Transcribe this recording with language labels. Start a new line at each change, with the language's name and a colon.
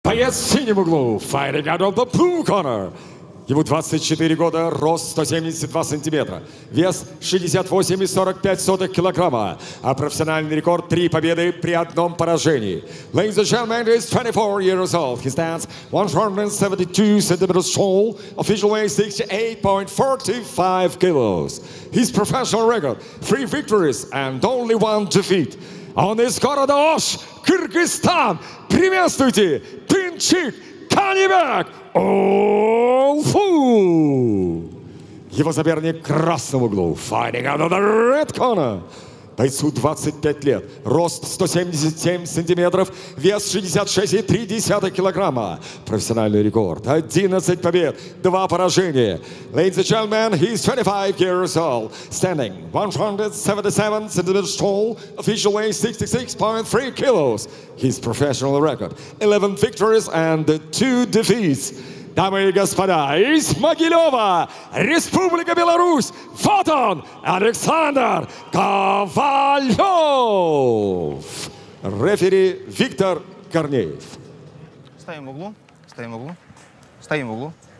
Russian: Боец в синем углу,
English: firing out of the blue corner.
Russian: Ему 24 года, рост 172 сантиметра, вес 68,45 килограмма, а профессиональный рекорд — 3 победы при одном поражении.
English: Ladies and gentlemen, he's 24 years old. He stands 172 centimeters tall, official weight 68.45 kilos. His professional record — 3 victories and only 1 defeat.
Russian: Он из города Ош, Кыргызстан. Приветствуйте, Тынчик Канибек! Олфу! Его соперник в красном углу.
English: Fighting out of the red corner.
Russian: Бойцу 25 лет. Рост 177 сантиметров. Вес 66,3 килограмма. Профессиональный рекорд. 11 побед. 2 поражения.
English: Ladies and gentlemen, he's 25 years old. Standing 177 centimeters tall. Official weight 66.3 kilos. His professional record. 11 victories and 2 defeats.
Russian: Дамы и господа, из Могилёва, Республика Беларусь, вот он, Александр Ковалёв. Рефери Виктор Корнеев. Стоим в углу, стоим в углу, стоим в углу.